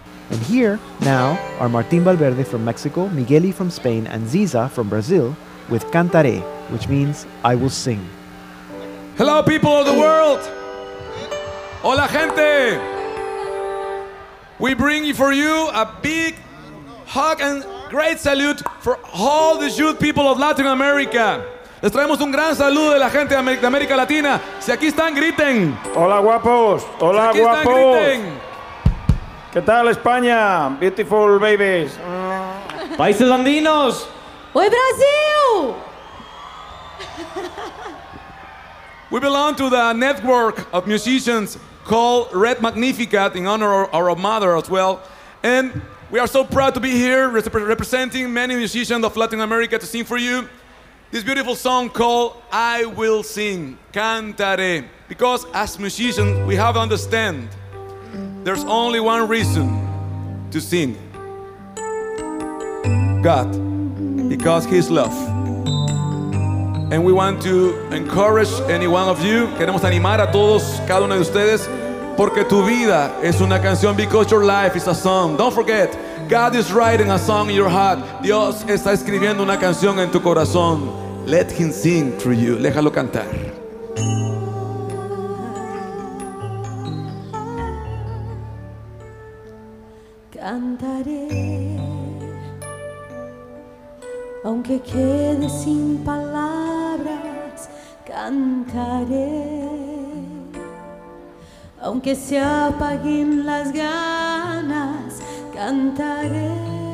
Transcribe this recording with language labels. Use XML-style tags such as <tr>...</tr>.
<en>And here, now, are Martin Valverde from Mexico, Migueli from Spain, and Ziza from Brazil with Cantaré, which means I will sing. Hello, people of the world.</en> <es>Hola, gente.</es> <en>We bring for you a big hug and great salute for all the youth people of Latin America.</en> <es>Les traemos un gran saludo de la gente de América Latina. Si aquí están, griten. Hola, guapos. Hola, si aquí guapos. Están, griten. ¿Qué tal, España?</es> <en>Beautiful babies.</en> <es>Países andinos. ¡Oye, Brasil!</es> <en>We belong to the network of musicians called Red Magnificat in honor of our mother as well. And we are so proud to be here representing many musicians of Latin America to sing for you this beautiful song called I Will Sing, Cantaré. Because as musicians, we have to understand there's only one reason to sing. God, because He's love. And we want to encourage any one of you.</en> <es>Queremos animar a todos, cada uno de ustedes, porque tu vida es una canción,</es> <en>because your life is a song. Don't forget, God is writing a song in your heart.</en> <es>Dios está escribiendo una canción en tu corazón.</es> <en>Let Him sing through you.</en> <es>Déjalo cantar. Cantaré, aunque quede sin palabras, cantaré, aunque se apaguen las ganas, cantaré.</es>